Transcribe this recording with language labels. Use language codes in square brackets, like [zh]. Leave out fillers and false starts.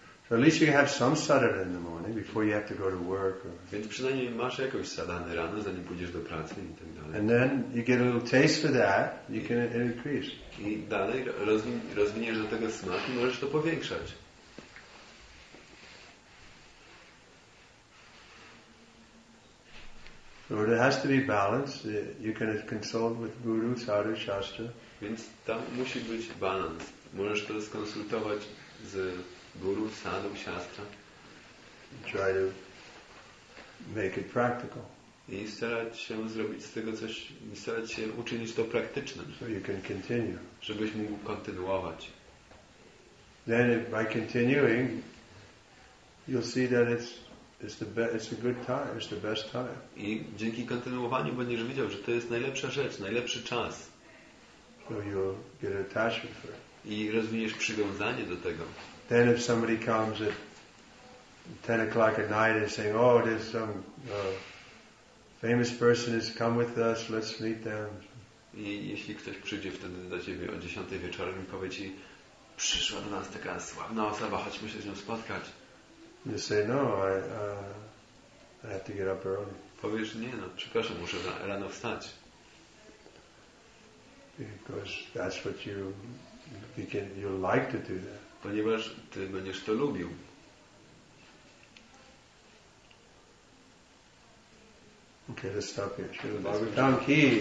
[en] So at least you have some sadhana in the morning before you have to go to work. [pl] Więc przynajmniej masz jakąś sadhanę rano, zanim pójdziesz do pracy i tak dalej. [en] And then you get a little taste for that, you can increase. [pl] I dalej rozwiniesz do tego smak i możesz to powiększać. [en] So it has to be balanced. You can consult with Guru, Sadhu, Shastra. [pl] Więc tam musi być balans. Możesz to skonsultować z Guru, Sadhu, Shastra. [en] Try to make it practical. [pl] I starać się zrobić z tego coś, starać się uczynić to praktycznym. [en] So you can continue. [pl] Żebyś mógł kontynuować. [en] Then by continuing, you'll see that it's a good time, it's the best time. [pl] I dzięki kontynuowaniu będziesz widział, że to jest najlepsza rzecz, najlepszy czas. [en] So you'll get attachment for it. [pl] I rozwiniesz przywiązanie do tego. [en] Then if somebody comes at 10 o'clock at night and saying, oh, there's some famous person has come with us, let's meet them. [pl] I jeśli ktoś przyjdzie wtedy do ciebie o 10 wieczorem i powie ci, przyszła do nas taka sławna osoba, chodźmy się z nią spotkać. [en] You say, no, I have to get up early. [pl] Powiesz, nie, no, przepraszam, muszę rano wstać. [en] Because that's what you begin, you like to do that. [pl] Ponieważ ty będziesz to lubił. [en] Okay, let's stop here. Shri Bhagavatam ki.